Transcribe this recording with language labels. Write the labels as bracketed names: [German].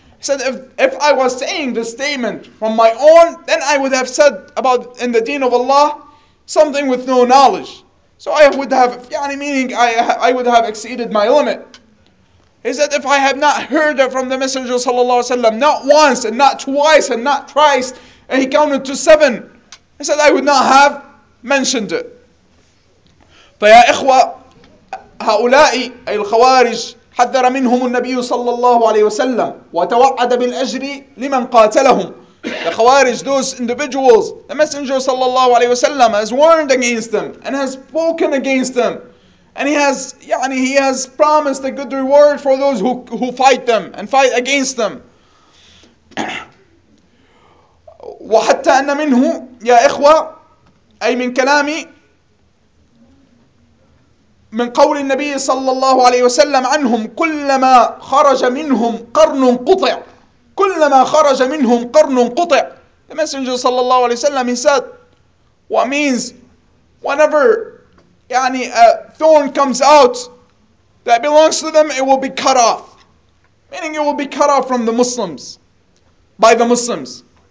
[English] He said, if I was saying this statement from my own, then I would have said about in the deen of Allah something with no knowledge. So I would have, yani meaning I would have exceeded my limit. He said, if I have not heard it from the Messenger sallallahu alayhi wasallam, not once and not twice and not thrice, and he counted to seven, he said, I would not have mentioned it. [Arabic] فيا إخوة هؤلاء أي الخوارج حذر منهم النبي صلى الله عليه وسلم وتوعد بالأجر لمن قاتلهم. [English] The Khawarij, those individuals, the Messenger sallallahu alayhi wasallam has warned against them and has spoken against them. And he has, يعني, he has promised a good reward for those who fight them and fight against them. [Arabic] وحتى أن منه يا إخوة أي من كلامي من قول النبي صلى الله عليه وسلم عنهم كلما خرج منهم قرن قطع كلما خرج منهم قرن قطع. [English] The Messenger صلى الله عليه وسلم, he said, what means whenever يعني a thorn comes out that belongs to them, it will be cut off, meaning it will be cut off from the Muslims, by the Muslims.